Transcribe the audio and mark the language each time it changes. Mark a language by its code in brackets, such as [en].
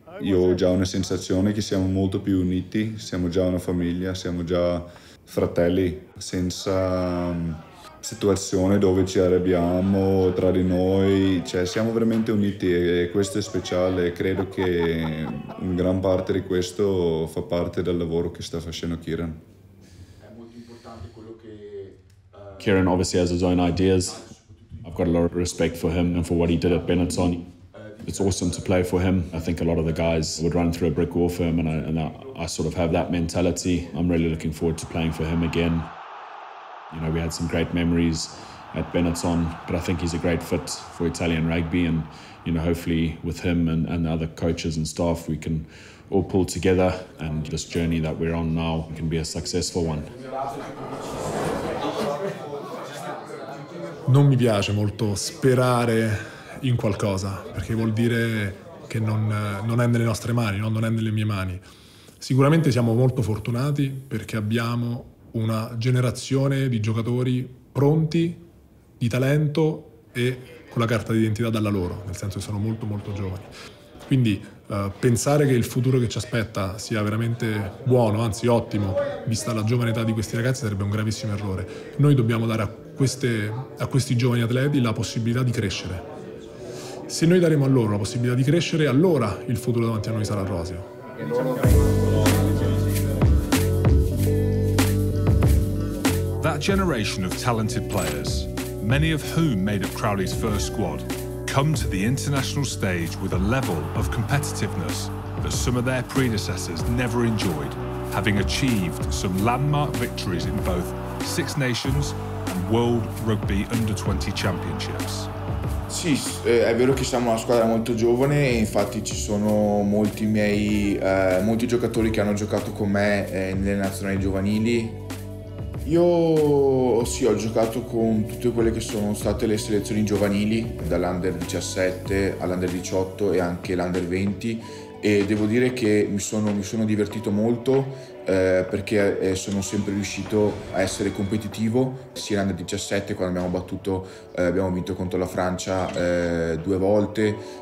[it] Io ho già una sensazione che siamo molto più uniti, siamo già una famiglia, siamo già fratelli, senza situazione dove ci arrabbiamo tra di noi, cioè siamo veramente uniti e questo è speciale. Credo che un gran parte di questo fa parte del lavoro che sta facendo Kieran. [en] Kieran obviously has his own ideas. I've got a lot of respect for him and for what he did at Benetton. It's awesome to play for him. I think a lot of the guys would run through a brick wall for him, and I sort of have that mentality. I'm really looking forward to playing for him again. You know, we had some great memories at Benetton, but I think he's a great fit for Italian rugby, and you know, hopefully with him and the other coaches and staff, we can all pull together and this journey that we're on now can be a successful one. [it] Non mi piace molto sperare in qualcosa, perché vuol dire che non è nelle nostre mani, no? Non è nelle mie mani. Sicuramente siamo molto fortunati perché abbiamo una generazione di giocatori pronti, di talento e con la carta d'identità dalla loro, nel senso che sono molto molto giovani. Quindi pensare che il futuro che ci aspetta sia veramente buono, anzi ottimo, vista la giovane età di questi ragazzi, sarebbe un gravissimo errore. Noi dobbiamo dare a questi giovani atleti la possibilità di crescere. Se noi daremo a loro la possibilità di crescere, allora il futuro davanti a noi sarà roseo. [en] That generation of talented players, many of whom made up Crowley's first squad, come to the international stage with a level of competitiveness that some of their predecessors never enjoyed, having achieved some landmark victories in both Six Nations and World Rugby Under 20 Championships. [it] Sì, è vero che siamo una squadra molto giovane, infatti ci sono molti giocatori che hanno giocato con me nelle nazionali giovanili. Io sì, ho giocato con tutte quelle che sono state le selezioni giovanili, dall'Under 17 all'Under 18 e anche l'Under 20, e devo dire che mi sono divertito molto perché sono sempre riuscito a essere competitivo, sia l'Under 17 quando abbiamo vinto contro la Francia due volte,